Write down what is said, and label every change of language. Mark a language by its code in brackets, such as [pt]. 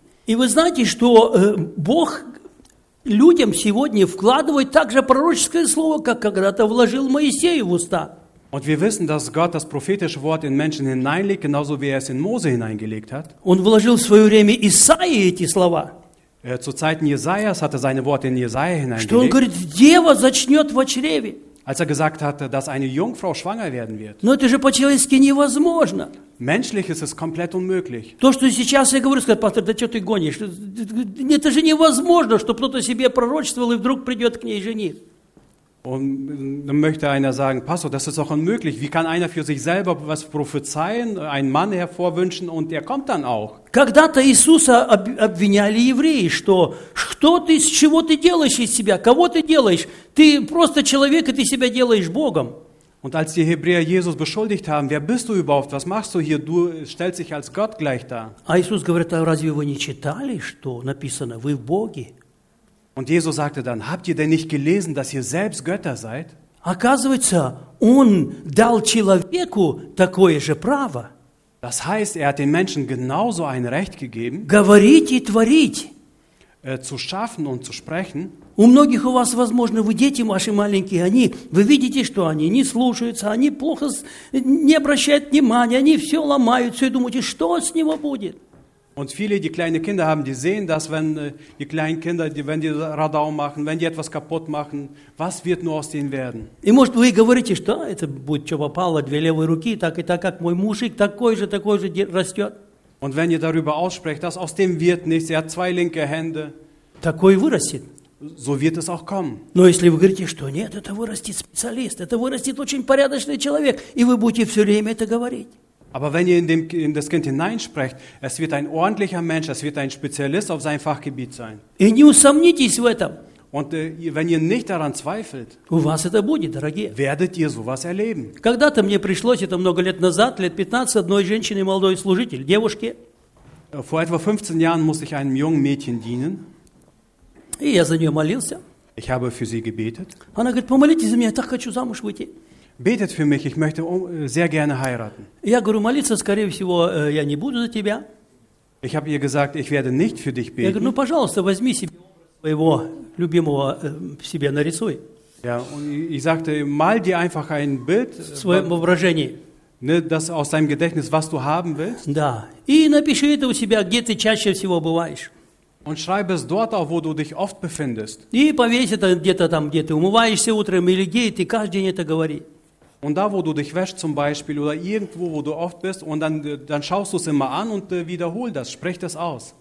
[ru] И вы знаете, что Бог людям сегодня вкладывает также пророческое слово, как когда-то вложил Моисею в уста. [de] Und wir wissen, dass Gott das prophetische Wort in Menschen hineinlegt, genauso wie er es in Mose hineingelegt hat. [ru] Он вложил в свое время Исаии эти слова. [de] Zu Zeiten Jesajas hat er seine Worte in Jesaja hineingelegt. [ru] Что он говорит, дева зачнет в чреве. А [de] als er gesagt hatte, dass eine Jungfrau schwanger werden wird. [ru] Но это же по-человечески невозможно. [de] Menschlich ist es komplett unmöglich. [ru] То, что сейчас я говорю, сказать, пастор, да что ты гонишь? Это же невозможно, что кто-то себе пророчествовал и вдруг придет к ней жених. [de] Und dann möchte einer sagen, Pastor, das ist doch unmöglich. Wie kann einer für sich selber was prophezeien, einen Mann hervorwünschen und er kommt dann auch? [ru] Когда-то Иисуса обвиняли евреи, что ты, с чего ты делаешь из себя, кого ты делаешь? Ты просто человек, и ты себя делаешь Богом. [de] Und als die Hebräer Jesus beschuldigt haben, wer bist du überhaupt, was machst du hier, du stellst dich als Gott gleich dar. [ru] А Иисус говорит, а разве вы не читали, что написано, вы в Боге? [de] Und Jesus sagte dann, habt ihr denn nicht gelesen, dass ihr selbst Götter seid? [ru] Оказывается, он дал человеку такое же право. [de] Das heißt, er hat den Menschen genauso ein Recht gegeben, [ru] говорить и творить, [de] zu schaffen und zu sprechen. [ru] У многих у вас, возможно, вы дети ваши маленькие, они, вы видите, что они не слушаются, они плохо, не обращают внимания, они все ломают, все, и думаете, что с него будет? [de] Und viele, die kleine Kinder haben, die sehen, dass wenn die kleinen Kinder, wenn die Radau machen, wenn die etwas kaputt machen, was wird nur aus denen werden? [ru] И может вы говорите, что это будет что попало, две левые руки, так и так, как мой мужик, такой же растет. [de] Und wenn ihr darüber aussprecht, dass aus dem wird nichts, er hat zwei linke Hände. [ru] Такой вырастет. [de] So wird es auch kommen. [ru] Но если вы говорите, что нет, это вырастет специалист, это вырастет очень порядочный человек, и вы будете все время это говорить. [de] Aber wenn ihr in das Kind hineinsprecht, es wird ein ordentlicher Mensch, es wird ein Spezialist auf seinem Fachgebiet sein. [ru] И не усомнитесь в этом. [de] Und wenn ihr nicht daran zweifelt, [ru] у вас это будет, дорогие. [de] Werdet ihr sowas erleben. [ru] Когда-то мне пришлось, это много лет назад, лет 15, одной женщине, молодой служитель, девушке. [de] Vor etwa 15 Jahren musste ich einem jungen Mädchen dienen. [ru] И я за нее молился. [de] Ich habe für sie gebetet. [ru] Она говорит, помолитесь за меня, я так хочу замуж выйти. [de] Betet für mich, ich möchte sehr gerne heiraten. [ru] Я говорю, молиться, скорее всего, я не буду за тебя. [de] Ich habe ihr gesagt, ich werde nicht für dich beten. [ru] Я говорю, ну, пожалуйста, возьми себе своего любимого, себе нарисуй. [de] Ja, und ich sagte, mal dir einfach ein Bild. [ru] В своем воображении. [de] Ne, das aus deinem Gedächtnis, was du haben willst. [ru] Да, и напиши это у себя, где ты чаще всего бываешь. [de] Und schreibe es dort auf, wo du dich oft befindest. [ru] И повесь это где-то там, где ты умываешься утром, или где ты каждый день это говори. [de] Und da, wo du dich wäschst zum Beispiel, oder irgendwo, wo du oft bist, und dann schaust du es immer an und wiederhol das, sprich das aus.